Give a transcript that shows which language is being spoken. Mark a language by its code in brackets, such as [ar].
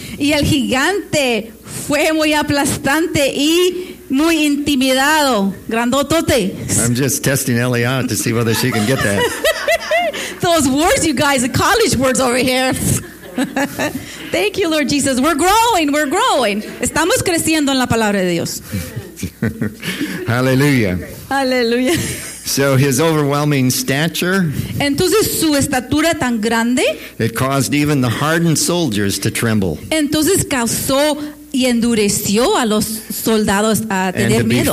[es] Y el gigante fue muy aplastante y muy intimidado, grandotote. [en] I'm just testing Ellie out to see whether she can get that. Those words, you guys, the college words over here. Thank you, Lord Jesus. We're growing. [es] Estamos creciendo en la palabra de Dios. Hallelujah. [en] So his overwhelming stature. [es] Entonces su estatura tan grande. [en] It caused even the hardened soldiers to tremble. [es] Entonces causó y endureció a los soldados a tener miedo.